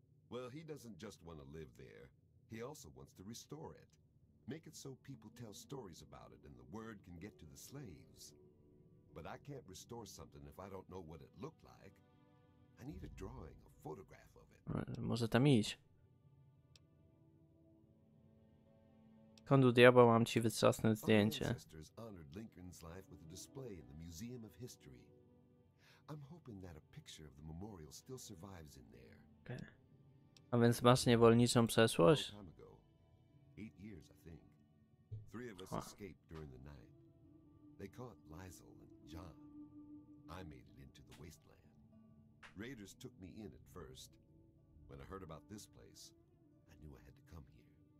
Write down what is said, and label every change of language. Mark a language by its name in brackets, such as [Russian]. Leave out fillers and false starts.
[English] Well, he doesn't just want to live there. He also wants to restore it. Make it so people tell stories about it and the word can get to the slaves. But I can't restore something if I don't know what it looked like. I need a drawing, a photograph of it. [Polish] Może tam iść? Skąd u diabła mam ci wytrzasnąć zdjęcie? [English] Our ancestors honored Lincoln's life with a display in the Museum of History. I'm hoping that a picture of the memorial still survives in there. Okay. [Polish] A więc masz niewolniczą przeszłość? [English] 8 years, I think. Three of us escaped during the night. They caught Lysel and John. I made it into the wasteland. Raiders took me in at first. When I heard about this place, I knew I had to come here.